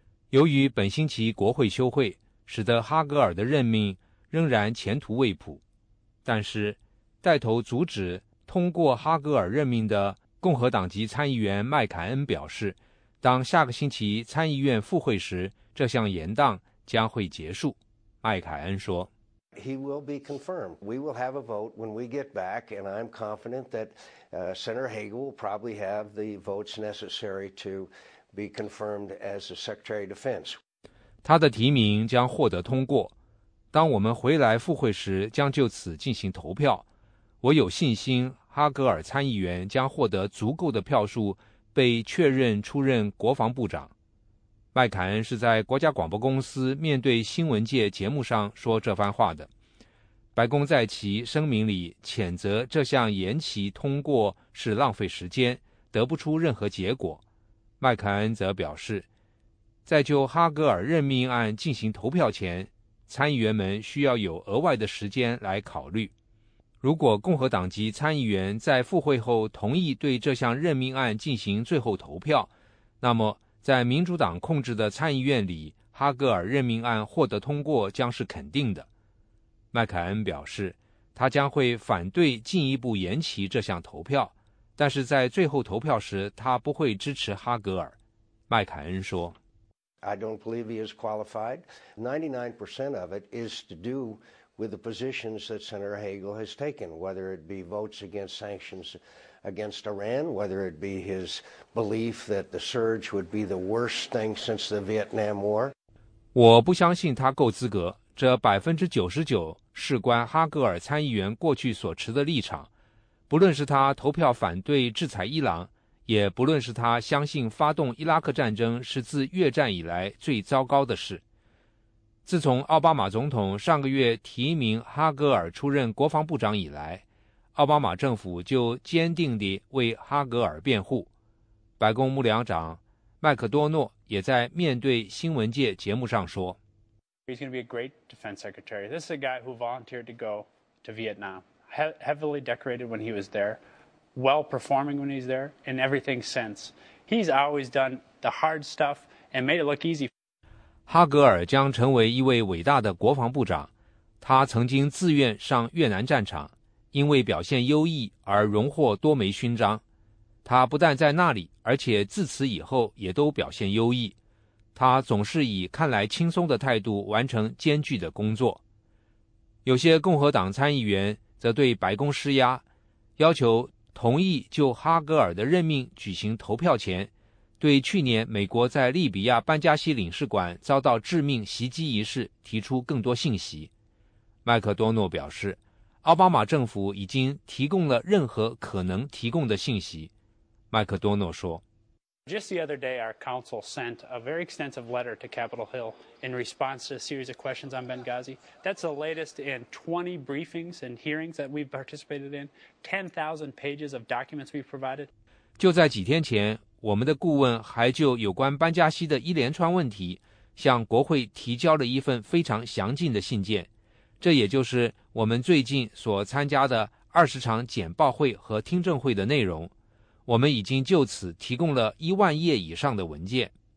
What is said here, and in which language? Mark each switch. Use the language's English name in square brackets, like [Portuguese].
[Chinese] 由于本星期国会休会，使得哈格尔的任命仍然前途未卜，但是带头阻止通过哈格尔任命的共和党籍参议员麦凯恩表示，当下个星期参议院复会时，这项延宕将会结束。麦凯恩说 [English] ：“He will be confirmed. We will have a vote when we get back, and I'm confident that Senator Hagel will probably have the votes necessary to be confirmed as the Secretary of Defense.” [Chinese] 他的提名将获得通过。当我们回来复会时，将就此进行投票。我有信心哈格尔参议员将获得足够的票数被确认出任国防部长。麦凯恩是在国家广播公司面对新闻界节目上说这番话的。白宫在其声明里谴责这项延期通过是浪费时间，得不出任何结果。麦凯恩则表示，在就哈格尔任命案进行投票前，参议员们需要有额外的时间来考虑。如果共和党籍参议员在复会后同意对这项任命案进行最后投票，那么在民主党控制的参议院里，哈格尔任命案获得通过将是肯定的。麦凯恩表示，他将会反对进一步延期这项投票，但是在最后投票时，他不会支持哈格尔。麦凯恩说 [English] ：“I don't believe he is qualified. 99% of it is to do with the positions that Senator Hagel has taken, whether it be votes against sanctions against Iran, whether it be his belief that the surge would be the worst thing since the Vietnam War.” [Chinese] 我不相信他够资格。这 99% 事关哈格尔参议员过去所持的立场，不论是他投票反对制裁伊朗，也不论是他相信发动伊拉克战争是自越战以来最糟糕的事。自从奥巴马总统上个月提名哈格尔出任国防部长以来，奥巴马政府就坚定地为哈格尔辩护。白宫幕僚长麦克多诺也在面对新闻界节目上说， [English] He's going to be a great defense secretary. This is a guy who volunteered to go to Vietnam, heavily decorated when he was there, well performing when he's there, and everything since. He's always done the hard stuff and made it look easy. [Chinese] 哈格尔将成为一位伟大的国防部长。他曾经自愿上越南战场，因为表现优异而荣获多枚勋章。他不但在那里，而且自此以后也都表现优异。他总是以看来轻松的态度完成艰巨的工作。有些共和党参议员则对白宫施压，要求同意就哈格尔的任命举行投票前，对去年美国在利比亚班加西领事馆遭到致命袭击一事提出更多信息。麦克多诺表示，奥巴马政府已经提供了任何可能提供的信息。麦克多诺说， [English] Just the other day, our counsel sent a very extensive letter to Capitol Hill in response to a series of questions on Benghazi. That's the latest in 20 briefings and hearings that we've participated in, 10,000 pages of documents we've provided. [Chinese] 就在几天前，我们的顾问还就有关班加西的一连串问题向国会提交了一份非常详尽的信件，这也就是我们最近所参加的20场简报会和听证会的内容。我们已经就此提供了10,000页以上的文件。